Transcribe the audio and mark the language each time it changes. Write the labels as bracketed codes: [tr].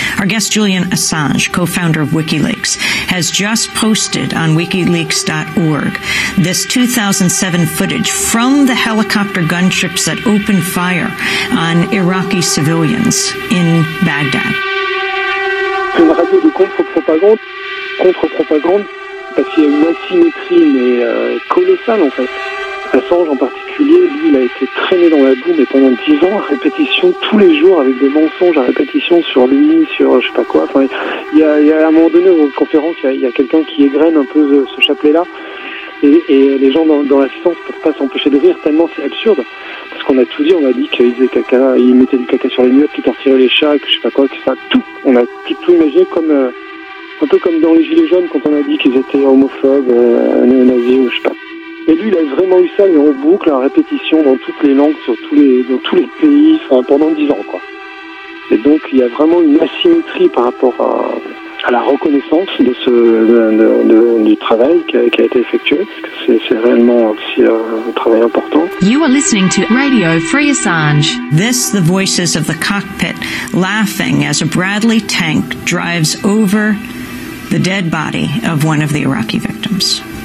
[en] Our guest, Julian Assange, co-founder of WikiLeaks, has just posted on WikiLeaks.org this 2007 footage from the helicopter gunships that opened fire on Iraqi civilians in Baghdad. [fr] C'est une radio de contre-propagande, parce qu'il y a une asymétrie colossale, en fait. Assange en particulier, lui, il a été traîné dans la boue, mais pendant 10 ans, à répétition, tous les jours, avec des mensonges à répétition sur lui, sur je sais pas quoi. Enfin, il y a à un moment donné, aux conférences, il y a quelqu'un qui égrène un peu ce chapelet-là, et les gens dans l'assistance ne peuvent pas s'empêcher de rire, tellement c'est absurde. Parce qu'on a tout dit, on a dit qu'il faisait caca, il mettait du caca sur les murs, qu'il torturait les chats, que je sais pas quoi, que ça, tout. On a tout imaginé comme, un peu comme dans les Gilets jaunes, quand on a dit qu'ils étaient homophobes, néo-nazis, ou je sais pas. Et lui, il a vraiment eu ça, mais en boucle, en répétition, dans toutes les langues, dans tous les pays, enfin, pendant 10 ans, quoi. Et donc, il y a vraiment une asymétrie par rapport à la reconnaissance de du travail qui a été effectué, parce que c'est réellement aussi un travail important. [en] You are listening to Radio Free Assange. This, the voices of the cockpit, laughing as a Bradley tank drives over the dead body of one of the Iraqi victims.